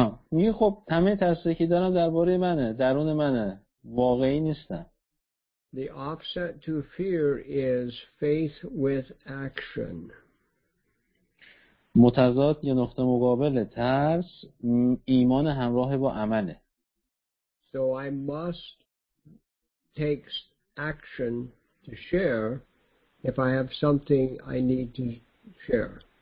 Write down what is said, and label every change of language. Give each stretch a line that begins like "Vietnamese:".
Persian: میگه خب همه ترسی که دارم درباره منه، درون منه، واقعی نیستم.
English: The offset to fear is faith with action.
Persian: متضاد یا نقطه مقابل ترس ایمان همراه با عمله.
English: So I must take action to share if I have something I need to share.